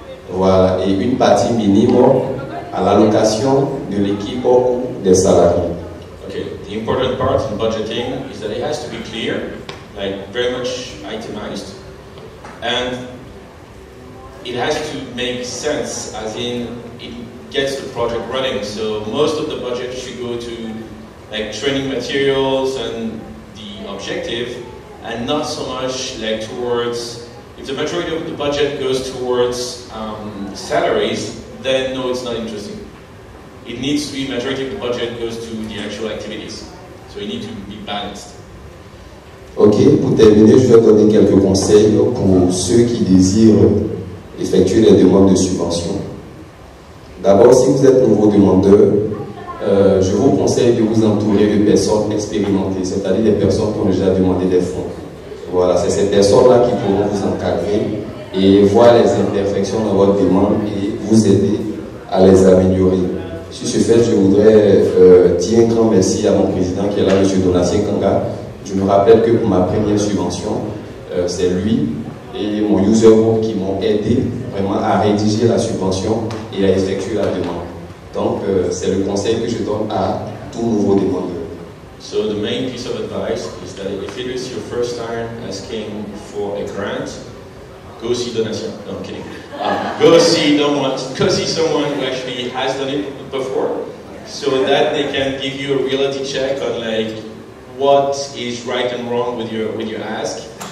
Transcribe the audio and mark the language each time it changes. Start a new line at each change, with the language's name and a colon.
French: Voilà, et une partie minime à l'allocation de l'équipe ou des salariés.
English: Ok, the important part in budgeting is that it has to be clear, like very much itemized. And it has to make sense, as in it gets the project running. So most of the budget should go to like training materials and the objective, and not so much like towards, if the majority of the budget goes towards salaries, then no, it's not interesting. It needs to be, majority of the budget goes to the actual activities. So you need to be balanced.
French: Ok, pour terminer, je vais donner quelques conseils pour ceux qui désirent effectuer les demandes de subvention. D'abord, si vous êtes nouveau demandeur, je vous conseille de vous entourer de personnes expérimentées, c'est-à-dire des personnes qui ont déjà demandé des fonds. Voilà, c'est ces personnes-là qui pourront vous encadrer et voir les imperfections dans votre demande et vous aider à les améliorer. Sur ce fait, je voudrais dire un grand merci à mon président qui est là, M. Donatien Kanga. Je me rappelle que pour ma première subvention, c'est lui et mon user group qui m'ont aidé vraiment à rédiger la subvention et à effectuer la demande. Donc, c'est le conseil que je donne à tout nouveau demandeur.
English: So the main piece of advice is that if it is your first time asking for a grant, go see Donation. No, I'm kidding. Go see someone who actually has done it before, so that they can give you a reality check on like what is right and wrong with your ask.